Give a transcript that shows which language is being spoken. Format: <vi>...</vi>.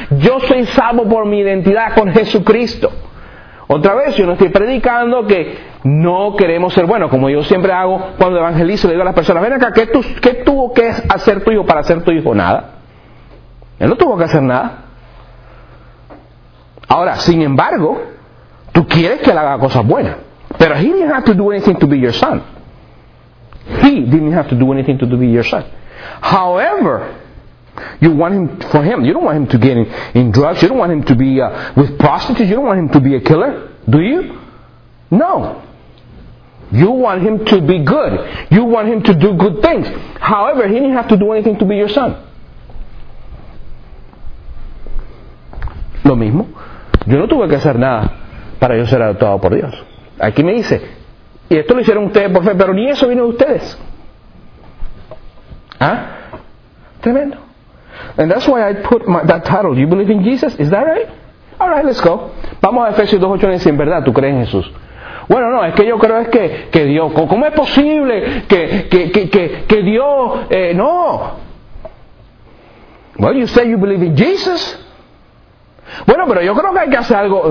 <es>Yo soy salvo por mi identidad con Jesucristo. Otra vez, yo no estoy predicando que no queremos ser buenos, como yo siempre hago cuando evangelizo, le digo a las personas, ven acá, ¿qué tuvo que hacer tu hijo para ser tu hijo? Nada. Él no tuvo que hacer nada. Ahora, sin embargo, tú quieres que él haga cosas buenas.</es> <en>Pero he didn't have to do anything to be your son. He didn't have to do anything to be your son. However, you want him for him. You don't want him to get in drugs. You don't want him to be with prostitutes. You don't want him to be a killer. Do you? No. You want him to be good. You want him to do good things. However, he didn't have to do anything to be your son.</en> <es>Lo mismo. Yo no tuve que hacer nada para yo ser adoptado por Dios. Aquí me dice, y esto lo hicieron ustedes por fe, pero ni eso vino de ustedes. ¿Ah? Tremendo.</es> <en>And that's why I put that title, you believe in Jesus? Is that right? All right, let's go.</en> <es>Vamos a Efesios 2:8 y dice, en verdad, ¿tú crees en Jesús? Bueno, no, es que yo creo es que Dios, ¿cómo es posible que Dios, no?</es> <en>Well, you say you believe in Jesus.</en> <es>Bueno, pero yo creo que hay que hacer algo.</es>